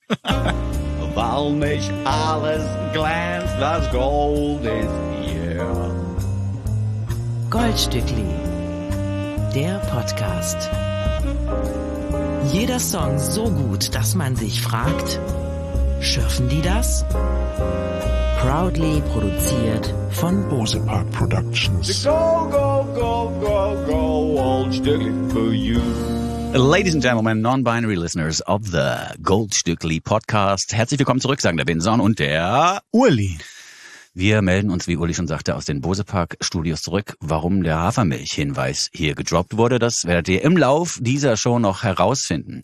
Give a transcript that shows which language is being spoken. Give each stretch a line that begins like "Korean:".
German: Weil nicht alles glänzt, das Gold ist hier. Goldstückli, der Podcast. Jeder Song so gut, dass man sich fragt, schürfen die das?
English: Proudly
German: produziert von Bosepark Productions.
English: Go, go, go, go, go, Goldstückli for you. Ladies and Gentlemen, non-binary listeners of the Goldstückli Podcast,
German: herzlich willkommen zurück, sagen der Binson und der
English: Uli.
German: Wir melden uns, wie Uli schon sagte, aus den Bosepark-Studios zurück. Warum der Hafermilch-Hinweis hier gedroppt wurde, das werdet ihr im Lauf dieser Show noch herausfinden.